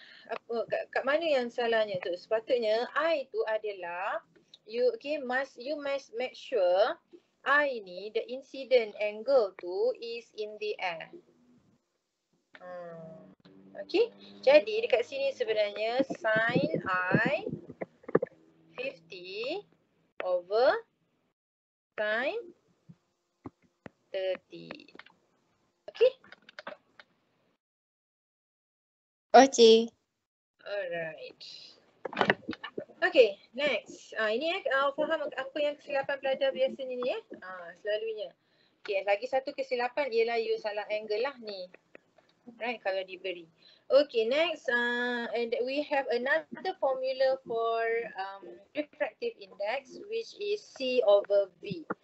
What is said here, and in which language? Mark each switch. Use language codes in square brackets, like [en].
[ms] Apa, kat mana yang salahnya tu? Sepatutnya, [en] I [ms] tu adalah, [en] you must make sure, I ni, the incident angle tu is in the air. [ms] Okay, jadi dekat sini sebenarnya sine I 50 over sine 30. [en] Okay? Okay. Alright. Okay, next. [ms] Ini faham apa yang kesilapan pelajar biasanya ni eh? Selalunya. Okay, lagi satu kesilapan ialah you salah angle lah ni. Right, kalau diberi. [en] Okay, next, and we have another formula for refractive index, which is C over V.